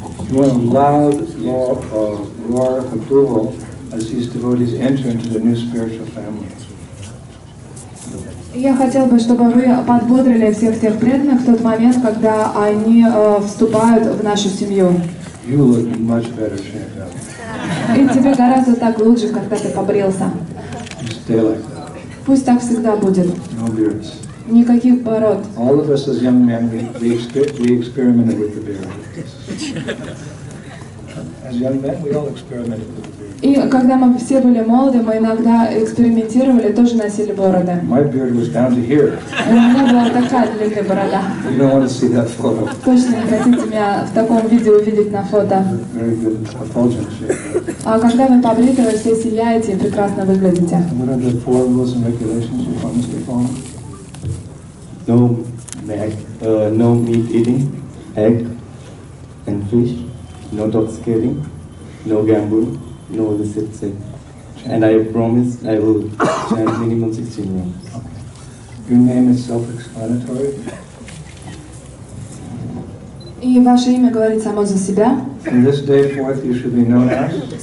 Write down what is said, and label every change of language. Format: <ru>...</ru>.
<en>With loud roar of approval as these devotees enter into the new spiritual family.</en> <ru>Я хотел бы, чтобы вы подбодрили всех тех преданных в тот момент, когда они вступают в нашу семью.</ru> <en>You look much better shaped up.</en> <ru>И тебе гораздо так лучше, когда ты побрился.</ru> <en>Stay like that.</en> <ru>Пусть так всегда будет.</ru> <en>No beards.</en> <ru>Никаких пород.</ru> <en>All of us as young men, we experimented with the beard. As young men, we all experimented with the beard.</en> <ru>И когда мы все были молоды, мы иногда экспериментировали, тоже носили бороды.</ru> <en>My beard was down to here.</en> <ru>У меня была такая длинная борода.</ru> <en>You don't want to see that photo.</en> <ru>Точно не хотите меня в таком виде увидеть на фото.</ru> <en>Very good effulgent shape.</en> <ru>А когда вы побриты, вы все сияете и прекрасно выглядите.</ru> <en>What are the four rules and regulations you promised to follow? No meat eating, egg and fish, no dogs killing, no gambling, no illicit sex. And I promise I will chant minimum 16 rounds. Okay. Your name is self-explanatory.</en> <ru>И ваше имя говорит само за себя.</ru> <en>From this day forth you should be known as.</en>